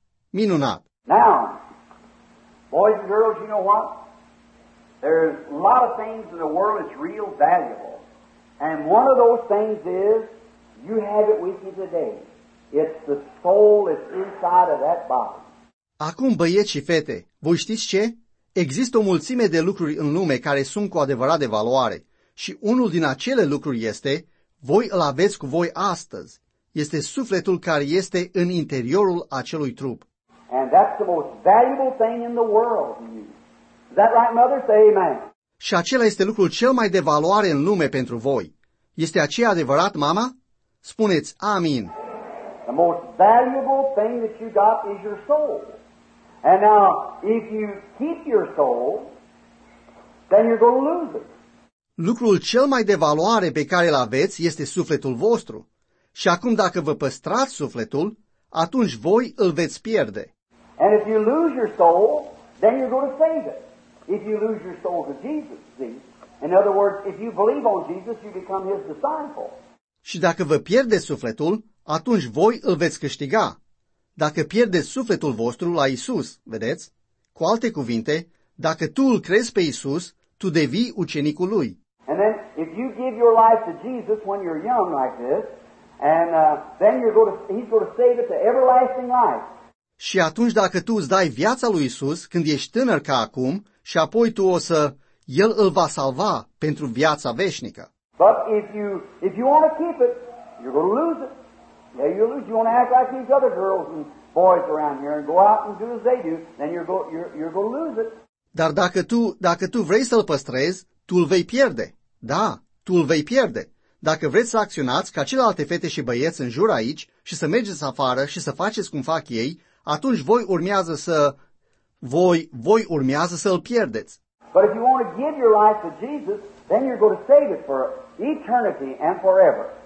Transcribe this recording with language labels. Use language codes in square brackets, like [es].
[ro] Minunat. [en] Now, boys and girls, you know what? There's a lot of things in the world that's real valuable. And one of those things is, you have it with you today. It's the soul that's inside of that body. [ro] Acum, băieți și fete, voi știți ce? Există o mulțime de lucruri în lume care sunt cu adevărat de valoare. Și unul din acele lucruri este, voi îl aveți cu voi astăzi. este sufletul care este în interiorul acelui trup. [en] And that's the most valuable thing in the world. Is that right, mother? Say amen. [ro] Și acela este lucrul cel mai de valoare în lume pentru voi. Este aceea adevărat, mama? Spuneți amin. [en] The most valuable thing that you got is your soul. And now, if you keep your soul, then you're going to lose it. [ro] Lucrul cel mai de valoare pe care îl aveți este sufletul vostru. Și acum dacă vă păstrați sufletul, atunci voi îl veți pierde. [en] And if you lose your soul, then you're going to save it. If you lose your soul to Jesus, see? In other words, if you believe on Jesus, you become his disciple. [ro] Și dacă vă pierdeți sufletul, atunci voi îl veți câștiga. Dacă pierdeți sufletul vostru la Isus, vedeți? Cu alte cuvinte, dacă tu îl crezi pe Isus, tu devii ucenicul lui. [en] And then if you give your life to Jesus when you're young like this, and then you're going to he's going to save it to everlasting life. [ro] Și atunci dacă tu îți dai viața lui Isus când ești tânăr ca acum, și apoi tu o să el îl va salva pentru viața veșnică. [en] But if you want to keep it, you're going to lose it. Yeah, you lose. You want to act like these other girls and boys around here and go out and do as they do, then you're going to lose it. [ro] Dar dacă tu vrei să-l păstrezi, tu îl vei pierde. Da, tu îl vei pierde. Dacă vreți să acționați ca celelalte fete și băieți în jur aici și să mergeți afară și să faceți cum fac ei, atunci voi urmează să îl pierdeți. [en] But if you want to give your life to Jesus, then you're going to save it for eternity and forever.